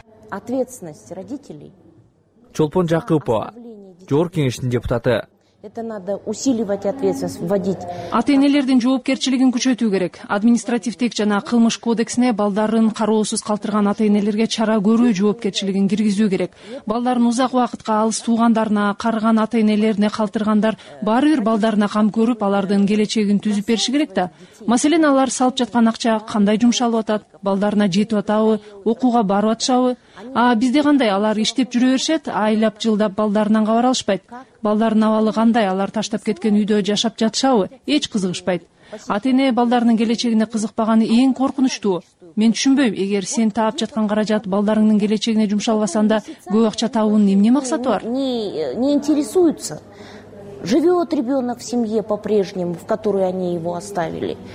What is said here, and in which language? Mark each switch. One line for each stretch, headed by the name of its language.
Russian: Ответственность родителей.
Kyrgyz: Чолпон Жакыпова, Жогорку Кеңештин депутаты.
Russian: Это надо усиливать ответственность, вводить.
Kyrgyz: Ата-энелердин жоопкерчилигин күчөтүү керек. Административдик жана кылмыш кодексине балдарын кароосуз калтырган ата-энелерге чара көрүү жоопкерчилигин киргизүү керек. Балдарын узак убакытка алыс туугандарына, карыган ата-энелерине калтыргандар баары бир балдарына кам көрүп, алардын келечегин түзүп бериши керек да. Маселен, алар салып жаткан акча кандай жумшалып атат? Балдарына жетип атабы, окууга барып атышабы? А бизде кандай? Алар иштеп жүрө беришет, айлап жылдап балдарынан кабар алышпайт. Балдарын абалы кандай? Алар таштап кеткен үйдө жашап жатышабы? Эч кызыгышпайт. Ата-эне балдарынын келечегине кызыкпаганы эң коркунучтуу. Мен түшүнбөйм, эгер сен таап жаткан каражат балдарыңдын келечегине жумшалбасаң да, көп акча табуунун эмне максаты бар?
Russian: Не интересуются. Живет ребенок в семье по-прежнему, в которой они его оставили?